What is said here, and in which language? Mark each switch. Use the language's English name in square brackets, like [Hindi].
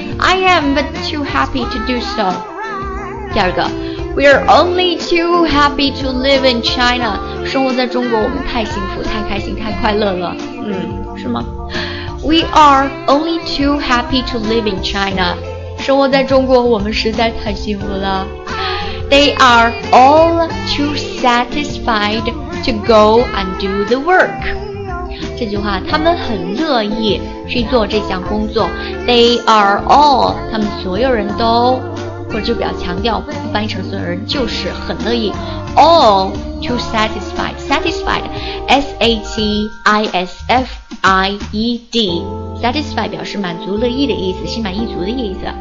[English] I am but too happy to do so。 [Chinese] 第二个， [English] We are only too happy to live in China. [Chinese] 生活在中国，我们太幸福、太开心、太快乐了。是吗？ [English] We are only too happy to live in China. [Chinese] 生活在中国，我们实在太幸福了。 [English] They are all too satisfied to go and do the work. [Chinese] 这句话，他们很乐意去做这项工作。 [English] They are all， [Chinese] 他们所有人都。或者就比较强调，不翻译成所有人，就是很乐意。 [English] All too satisfied， [Chinese] satisfied， S-A-T-I-S-F-I-E-D， satisfied 表示满足、乐意的意思，心满意足的意思。